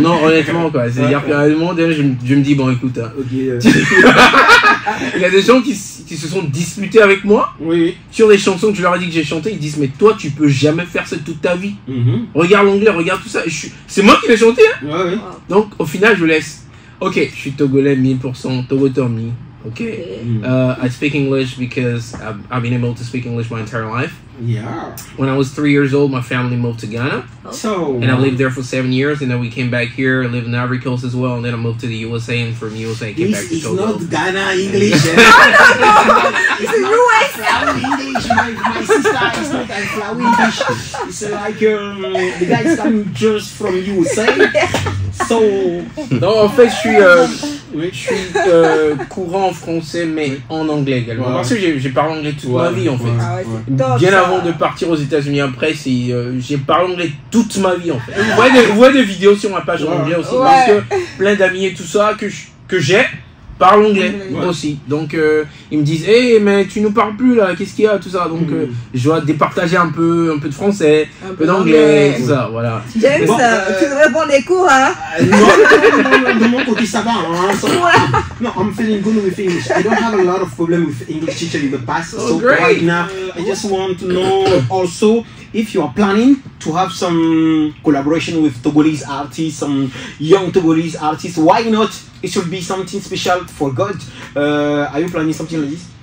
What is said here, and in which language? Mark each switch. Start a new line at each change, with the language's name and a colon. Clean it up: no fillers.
French: Non, honnêtement quoi, c'est à dire qu'à un moment donné je me dis bon écoute il y a des gens qui se sont disputés avec moi oui. Sur les chansons que je leur ai dit que j'ai chanté, ils disent mais toi tu peux jamais faire ça toute ta vie. Mm-hmm. Regarde l'anglais, regarde tout ça, c'est moi qui l'ai chanté hein. Ouais, ouais. Donc au final je laisse. Ok, je suis togolais 1000%, Togo Tommy,
English: Okay. I speak English because I've been able to speak English my entire life. Yeah. When I was 3 years old, my family moved to Ghana. So. And I lived there for 7 years, and then we came back here, I lived in Ivory Coast as well, and then I moved to the USA, and from the USA I came back to Togo. This is not Ghana English. No. It's US. My sister is not English. It's like the guys come just from USA. So.
French: Non, en fait, je suis courant français, mais en anglais également. Ouais. Parce que j'ai parlé anglais toute ma vie, en fait. Ouais. Bien avant de partir aux États-Unis après, j'ai parlé anglais toute ma vie, en fait. Vous voyez des vidéos sur ma page en anglais aussi. Ouais. Parce que plein d'amis et tout ça que j'ai parlent anglais aussi. Donc, ils me disent, hey, mais tu nous parles plus là, qu'est-ce qu'il y a, tout ça. Donc, je dois départager un peu de français, un peu d'anglais, tout ça, voilà. James, bon, tu devrais prendre des cours, hein. De mon côté, ça va, hein.
English: So, no, I'm feeling good with English. I don't have a lot of problem with English teacher in the past. Oh, so, great. Right now, I just want to know also if you are planning to have some collaboration with Togolese artists, some young Togolese artists, why not? It should be something special for God. Are you planning something like this?